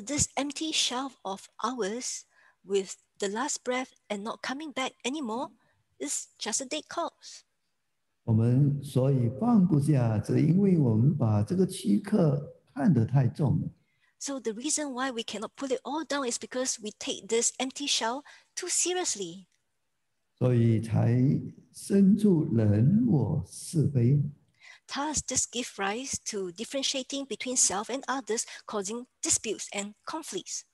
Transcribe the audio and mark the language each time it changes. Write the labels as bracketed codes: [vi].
[en] this empty shelf of ours, with the last breath and not coming back anymore, is just a dead corpse. [zh] 我们所以放不下，只因为我们把这个躯壳看得太重了。 [en] So the reason why we cannot put it all down is because we take this empty shell too seriously. [zh] 所以才生出人我是非。 [en] Thus, this gives rise to differentiating between self and others, causing disputes and conflicts.